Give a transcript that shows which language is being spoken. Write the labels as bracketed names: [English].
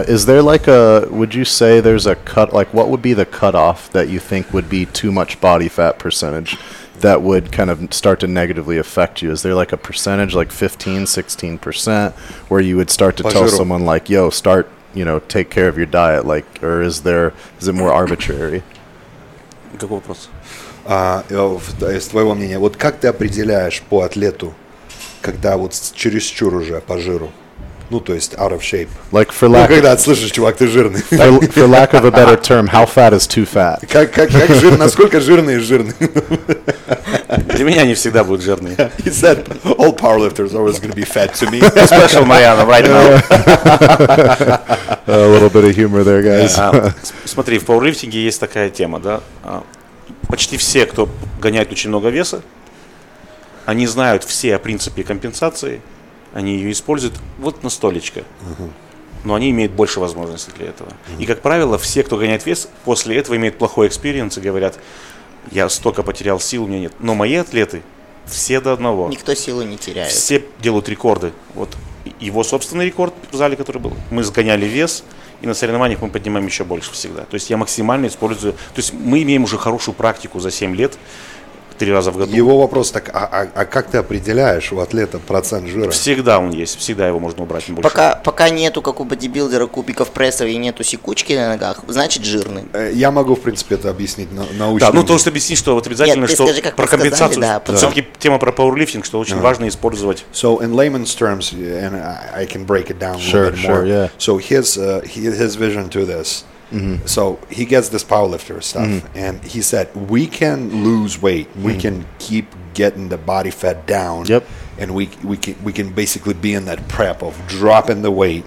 [English] Is there like a, would you say there's a cut, like what would be the cutoff that you think would be too much body fat percentage that would kind of start to negatively affect you? Is there like a percentage, like 15-16%, where you would start to tell someone like, yo, start, you know, take care of your diet, like, or is it more arbitrary? Good question. [Russian] Из твоего мнения, вот как ты определяешь по атлету, когда вот чересчур уже по жиру, ну то есть [English] out of shape? Like for lack, [Russian] ну, когда ты слышишь, чувак, ты жирный. [English] For lack of a better term, how fat is too fat? [Russian] Как жир, насколько жирный и жирный? Для меня они всегда будут жирные. [English] He said, all powerlifters are always going to be fat to me. Especially Mariano right now. A little bit of humor there, guys. [Russian] Смотри, в пауэрлифтинге есть такая тема, да? Почти все, кто гоняет очень много веса, они знают все о принципе компенсации, они ее используют вот на столечко. Uh-huh. но они имеют больше возможностей для этого. Mm-hmm. И, как правило, все, кто гоняет вес, после этого имеют плохой экспириенс и говорят, я столько потерял сил, у меня нет. Но мои атлеты все до одного. Никто силы не теряет. Все делают рекорды. Вот его собственный рекорд в зале, который был. Мы сгоняли вес, и на соревнованиях мы поднимаем еще больше всегда. То есть я максимально использую... То есть мы имеем уже хорошую практику за 7 лет, 3 раза в году. Его вопрос так, а как ты определяешь у атлета процент жира? Всегда он есть, всегда его можно убрать. Больше. Пока нету, как у бодибилдера, кубиков прессов и нету секучки на ногах, значит жирный. Я могу, в принципе, это объяснить научно. Да, ну то, что объяснить, что вот обязательно, нет, что скажи, как про компенсацию, сказали, да, все-таки да. Тема про пауэрлифтинг, что очень важно использовать. [English] So in layman's terms, and I can break it down sure, a little bit sure, more. Yeah. So his vision to this. Mm-hmm. So he gets this powerlifter stuff, mm-hmm. and he said, we can lose weight, mm-hmm. we can keep getting the body fat down, yep. and we can basically be in that prep of dropping the weight